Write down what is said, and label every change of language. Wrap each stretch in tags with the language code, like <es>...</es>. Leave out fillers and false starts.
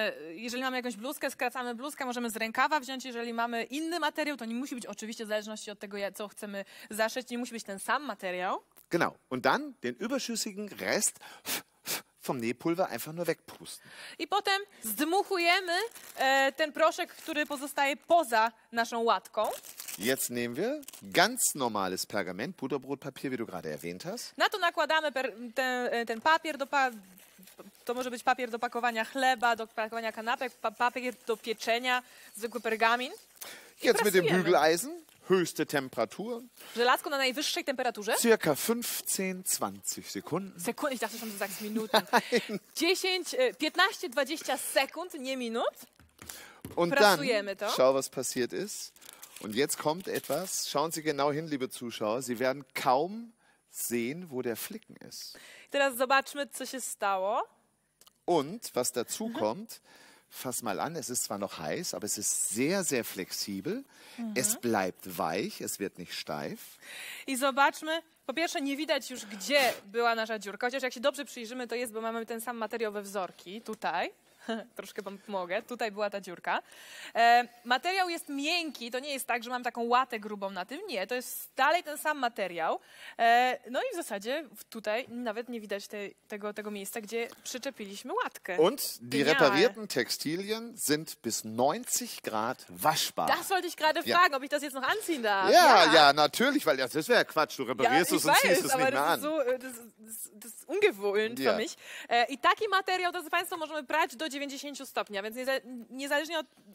<pl>Jeżeli mamy jakąś bluzkę, skracamy bluzkę, możemy z rękawa wziąć. Jeżeli mamy inny materiał, to nie musi być oczywiście w zależności od tego, co chcemy zaszyć, nie musi być ten sam materiał.</pl> <de>Genau. Und dann den überschüssigen Rest vom Nähpulver einfach nur wegpusten.</de> <pl>I potem zdmuchujemy ten proszek, który pozostaje poza naszą łatką.</pl> <de>Jetzt nehmen wir ganz normales Pergament, Butterbrotpapier, wie du gerade erwähnt hast.</de> <pl>Na to nakładamy ten papier do... To może być papier do pakowania chleba, do pakowania kanapek, papier do pieczenia, zwykły pergamin.</pl> <de>Jetzt mit dem Bügeleisen, höchste Temperatur.</de> <pl>Żelazko na najwyższej temperaturze?</pl> <de>Circa 15-20 Sekunden. Sekunden, ich dachte schon, du sagst Minuten.</de> <pl>15-20 Sekund, nie minut.</pl> <de>Und</de> <pl>prasujemy</pl> <de>dann, to. Schau, was passiert ist. Und jetzt kommt etwas. Schauen Sie genau hin, liebe Zuschauer. Sie werden kaum sehen, wo der Flicken ist.</de> <pl>Teraz zobaczmy, co się stało.</pl> <de>Und was dazu kommt, fass mal an, es ist zwar noch heiß, aber es ist sehr, sehr flexibel. Mhm. Es bleibt weich, es wird nicht steif.</de> <pl>I zobaczmy, po pierwsze nie widać już, gdzie była nasza dziurka. Chociaż jak się dobrze przyjrzymy, to jest, bo mamy ten sam materiał we wzorki, tutaj. Troszkę wam pomogę, tutaj była ta dziurka. Materiał jest miękki, to nie jest tak, że mam taką łatę grubą na tym. Nie, to jest dalej ten sam materiał. No i w zasadzie tutaj nawet nie widać tego miejsca, gdzie przyczepiliśmy łatkę.</pl> <de>Und die reparierten Textilien sind bis 90 Grad waschbar. Das wollte ich gerade fragen, ob ich das jetzt noch anziehen darf. Ja, ja, natürlich, weil das wäre Quatsch, du reparierst es und ziehst es nicht mehr an. Das ist ungewohnt für mich.</de> <pl>I taki materiał, drodzy Państwo, możemy brać do 90 stopni, więc niezależnie od...</pl>